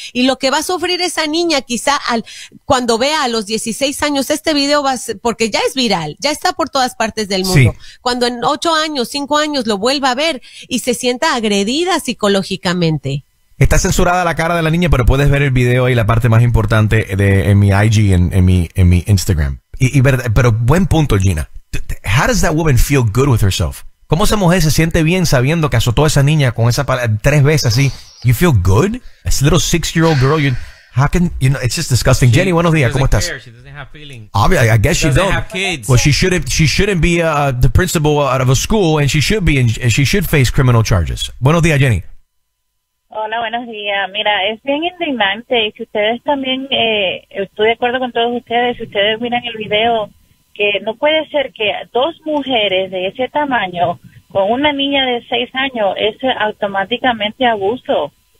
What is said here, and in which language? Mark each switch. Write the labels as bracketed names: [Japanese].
[Spanish] Y lo que va a sufrir esa niña quizá cuando vea a los 16 años este video, porque ya es viral, ya está por todas partes del mundo. Sí. Cuando en 8 años, 5 años lo vuelva a ver y se sienta agredida psicológicamente. Está censurada la cara de la niña, pero puedes ver el video y la parte más importante en mi IG, en mi Instagram. Pero buen punto, Gina. [English] How does that woman feel good with herself? [Spanish] ¿Cómo esa mujer se siente bien sabiendo que azotó a esa niña con esa palabra tres veces así? [English] You feel good? This little 6-year-old girl, it's just disgusting. Jenny, [Spanish] buenos días, ¿cómo estás? [English] Obviously, I guess she don't. Well, she shouldn't be the principal out of a school, and she should face criminal charges. [Spanish] Buenos días, Jenny. Hola, buenos días. Mira, es bien indignante. Y si ustedes también, estoy de acuerdo con todos ustedes, si ustedes miran el video, que no puede ser que dos mujeres de ese tamaño con una niña de 6 años es automáticamente abuso.